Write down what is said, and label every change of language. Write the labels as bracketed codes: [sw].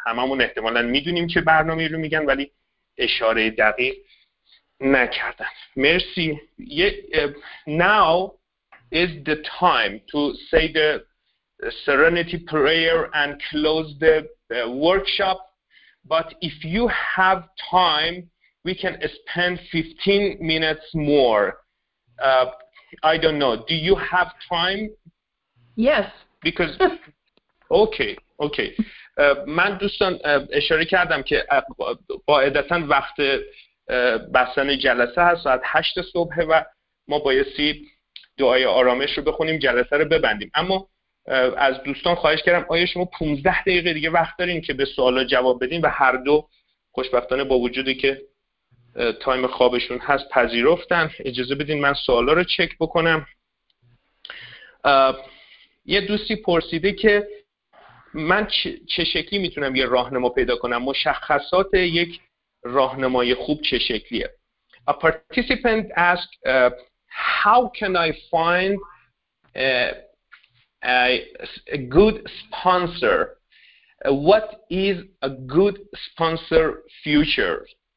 [fa] هممون احتمالاً میدونیم که برنامه‌ای رو میگن ولی اشاره دقیق نکردن. مرسی. [en] Now is the time to say the serenity prayer and close the workshop, but if you have time we can spend 15 minutes more. I don't know, do you have time? Yes. Because, okay. [fa] من دوستان اشاره کردم که قاعدتا وقت بستن جلسه هست ساعت 8 صبح و ما بایستی دعای آرامش رو بخونیم جلسه رو ببندیم، اما از دوستان خواهش کردم آیا شما 15 دقیقه دیگه وقت دارین که به سوالا جواب بدین و هر دو خوشبختانه با وجودی که تایم خوابشون هست پذیرفتن، اجازه بدین من سوالا رو چک بکنم. یه دوستی پرسیده که من چه شکلی میتونم یه راهنما پیدا کنم، مشخصات یک راهنمای خوب چه شکلیه. [en] A participant asked how can I find a good sponsor? What is a good sponsor future?